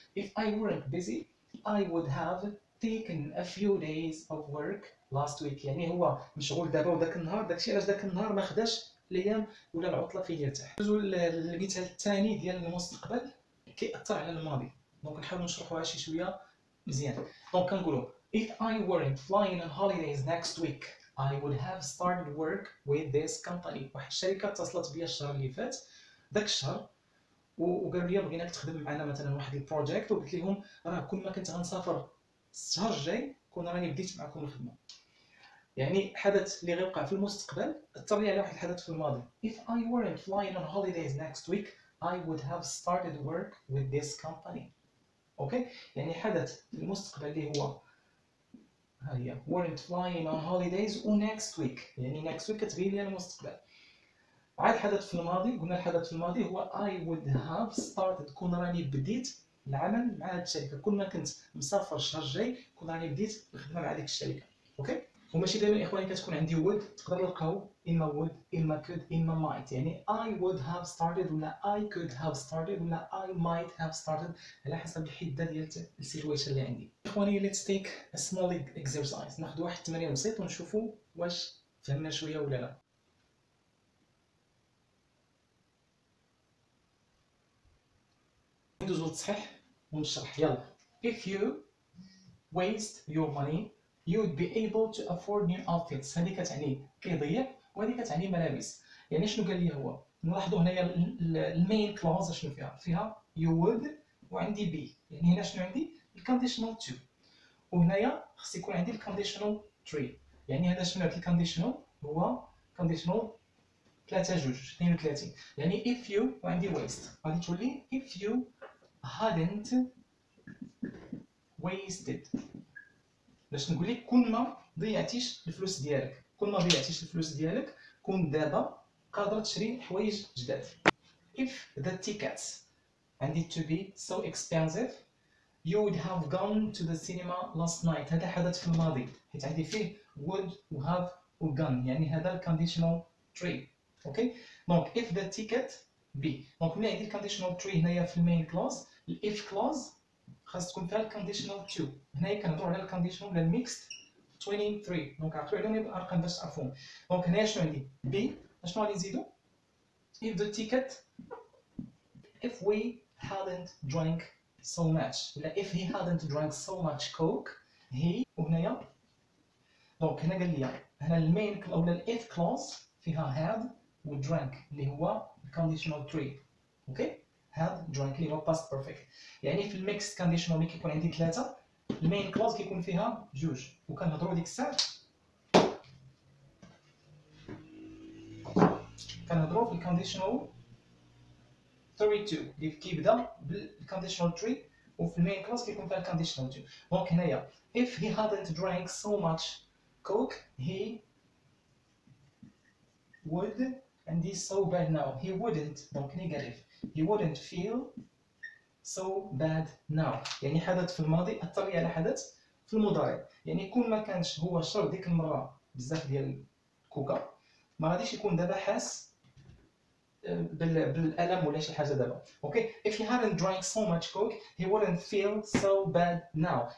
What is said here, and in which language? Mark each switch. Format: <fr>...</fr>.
<en>If I weren't busy I would have taken a few days of work last week.</en> <ar>يعني هو مشغول دابا وداك النهار، داكشي علاش داك النهار ما خداش الايام ولا العطله فين يرتاح. ندوزو للمثال الثاني ديال المستقبل كيأثر على الماضي، دونك نحاولوا نشرحوها شي شويه مزيان. دونك كنقولوا</ar> <en>If I weren't flying on holidays next week I would have started work with this company.</en> <ar>واحد الشركه اتصلت بيا الشهر اللي فات، داك الشهر، وقالوا لي بغيناك تخدم معنا مثلا واحد البروجيكت، وقلت لهم راه كل ما كنت غنسافر الشهر الجاي كون راني بديت معكم الخدمه. يعني حدث اللي غيوقع في المستقبل اثر لي على واحد الحدث في الماضي.</ar> <en>If I weren't flying on holidays next week I would have started work with this company.</en> <ar>اوكي، يعني حدث المستقبل اللي هو ها هي</ar> <en>weren't flying on holidays</en> <ar>و</ar> <en>next week،</en> <ar>يعني next week كتبين لي المستقبل. عاد حدث في الماضي، قلنا الحدث في الماضي هو</ar> <en>I would have started،</en> <ar>كون راني بديت العمل مع هذه الشركه. كل ما كنت مسافر الشهر الجاي كون راني بديت الخدمه مع هذيك الشركه. اوكي، وماشي دائما اخواني كتكون عندي وود، تقدر نلقاو اما وود اما كود اما مايت، يعني اي وود هاف ستارتد ولا اي كود هاف ستارتد ولا اي مايت هاف ستارتد، على حسب الحده ديال السيتويشن اللي عندي. اخواني ليتس تيك ا سمول اكزرسايز، ناخذ واحد التمرين بسيط ونشوفوا واش فهمنا شويه ولا لا. ندوزو للتصحيح ونشرح. يلا.</ar> <en>If you waste your money you would be able to afford new outfits.</en> <ar>هذه كتعني كيضيع وهذه كتعني ملابس. يعني شنو قال لي هو؟ نلاحظوا هنايا المين كلوز شنو فيها؟ فيها</ar> <en>you would</en> <ar>وعندي be. يعني هنا شنو عندي؟ الكونديشنال 2. وهنايا خص يكون عندي الكونديشنال 3. يعني هذا شنو هذا الكونديشنال؟ هو كونديشنال 3 جوج 32.</ar> <en>يعني if you وعندي waste</en> <ar>غادي تقول لي</ar> <en>if you hadn't wasted.</en> <ar>باش نقول لك كون ما ضيعتيش الفلوس ديالك، كون ما ضيعتيش الفلوس ديالك كون دابا قادر تشري حوايج جداد.</ar> <en>If the tickets needed to be so expensive you would have gone to the cinema last night.</en> <ar>هذا حدث في الماضي حيت عندي فيه would و have و gone، يعني هذا الكونديشنال 3. اوكي، دونك if the ticket be، دونك ملي عندي الكونديشنال 3 هنايا في المين كلوز، الاف كلوز خاص تكون فيها الكونديشنال 2. هنايا كنهضروا على الكونديشنال ولا الميكست 23، دونك عرفتوا عليهم الارقام باش تعرفوهم. دونك هنايا شنو عندي؟ بي، شنو غادي نزيدو؟</ar> <en>if the ticket if we hadn't drank so much، ولا if he hadn't drank so much coke he.</en> <ar>وهنايا دونك هنا قال لي هنا المين ولا الاف كلوز فيها had و drank اللي هو الكونديشنال 3. اوكي، هاد جوينتلي هو باست بيرفكت. يعني في الميكس كونديشنال ملي كيكون عندي ثلاثة المين كلوز كيكون فيها جوج، وكنهضروا ديك الساعة كنهضروا في الكونديشنال 32 اللي كيبدا بالكونديشنال 3 وفي المين كلوز كيكون فيها الكونديشنال 2. دونك هنايا</ar> <en>if he hadn't drank so much coke he would and he's so bad now he wouldn't.</en> <ar>دونك نيجاتيف</ar> <en>he wouldn't feel so bad now.</en> <ar>يعني حدث في الماضي اثر لي على حدث في المضارع. يعني كون ما كانش هو شرب ديك المره بزاف ديال الكوكا ما غاديش يكون دابا حاس بالالم ولا شي حاجه دابا.</ar> <en>Okay, if he hadn't drank so much coke he wouldn't feel so bad now.</en>